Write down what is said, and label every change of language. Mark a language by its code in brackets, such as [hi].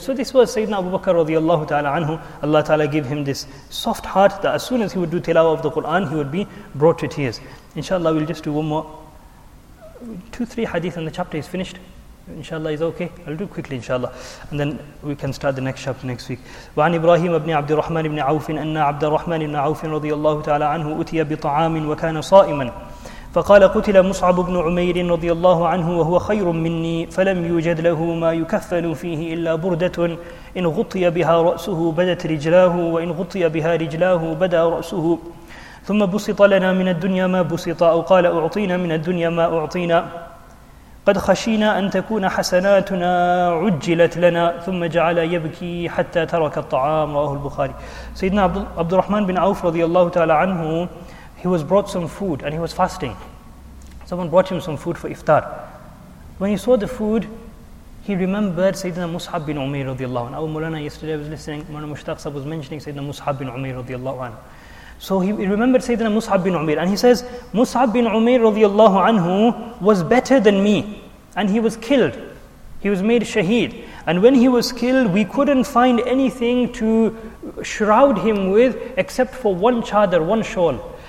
[en] So this was Sayyidina Abu Bakr radiallahu ta'ala anhu. Allah ta'ala gave him this soft heart that as soon as he would do tilawah of the Quran, he would be brought to tears. Inshallah, we'll just do one more, two, three hadith and the chapter is finished. Inshallah, is okay? I'll do quickly, inshallah. And then we can start the next chapter next week. [ar] وعن إبراهيم بن عبد الرحمن بن عوف أن عبد الرحمن بن عوف رضي الله تعالى عنه أتي بطعام وكان صائما فقال قتل مصعب بن عمير رضي الله عنه وهو خير مني فلم يوجد له ما يكفل فيه إلا بردة إن غطي بها رأسه بدت رجلاه وإن غطي بها رجلاه بدا رأسه ثم بسط لنا من الدنيا ما بسط أو قال أعطينا من الدنيا ما أعطينا قد خشينا أن تكون حسناتنا عجلت لنا ثم جعل يبكي حتى ترك الطعام رواه البخاري. [en] سيدنا عبد الرحمن بن عوف رضي الله تعالى عنه, he was brought some food and he was fasting. Someone brought him some food for iftar. When he saw the food, he remembered سيدنا مصعب بن عمير رضي الله عنه. أبو Maulana, yesterday I was listening, Maulana Mushtaq Sahib was mentioning سيدنا مصعب بن عمير رضي الله عنه. So he remembered Sayyidina Mus'ab bin Umair, and he says, Mus'ab bin Umair radiallahu anhu was better than me, and he was killed. He was made shaheed. And when he was killed, we couldn't find anything to shroud him with except for one chadar, one shawl.